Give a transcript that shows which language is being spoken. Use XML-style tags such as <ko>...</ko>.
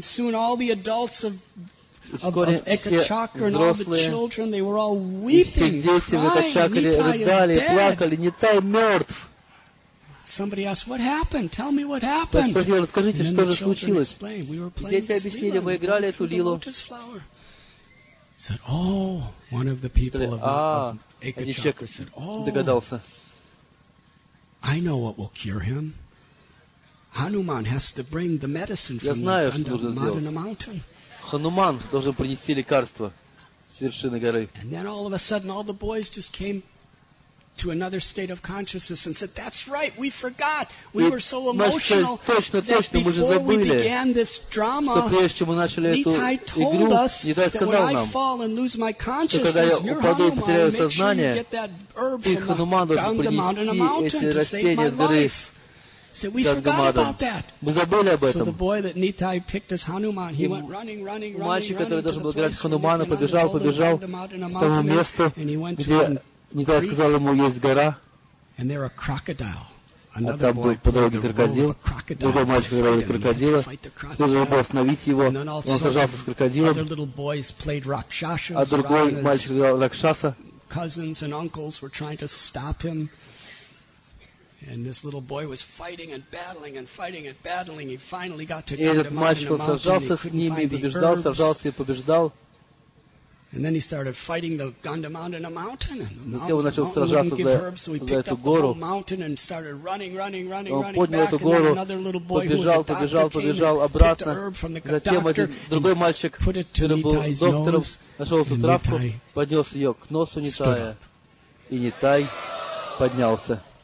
<ru>скоро все взрослые, и все дети в Экачакре рыдали, плакали, Нитай мертв.</ru> <en>Somebody asked, "What happened? Tell me what happened."</en> <ru>Спросил, расскажите, что же случилось. Дети объяснили, мы играли эту лилу.</ru> <en>Said, "Oh, one of the people of Ekachakra said, 'Oh,</en> <ru>догадался.</ru> <en>I know what will cure him. Hanuman has to bring the medicine from the Madana mountain."</en> <ru>Хануман должен принести лекарство с вершины горы.</ru> <en>And then all of a sudden, all the boys just came. To another state of consciousness and said, "That's right. We forgot. We were so emotional that before we began this drama, Nitai told us that when I fall and lose my consciousness, your Hanuman, make sure you get that herb from the Ganga mountain to save my life." Said, "We forgot about that." So the boy that Nitai picked as Hanuman, he went running,</en> <ru>Нитай сказал ему, есть гора, а там был подробный крокодил, другой мальчик играл крокодила, нужно было остановить его, он сражался с крокодилом, а другой мальчик играл ракшаса.</ru> <en>Cousins and uncles were trying to stop him. And this little boy was fighting and battling and fighting and battling. He finally got to Ganga Mountain.</en> <ru>И сражался с ними, побеждал, сражался и побеждал.</ru> <en>And then he started fighting the Ganga Mountain, a mountain.</en> <ru>Затем он начал сражаться за эту гору.</ru> <en>Mountain and started running, running, running, running.</en> <ru>Затем один другой мальчик, который был доктором, нашел эту травку, поднес ее к носу Нитая, и Нитай поднялся.</ru>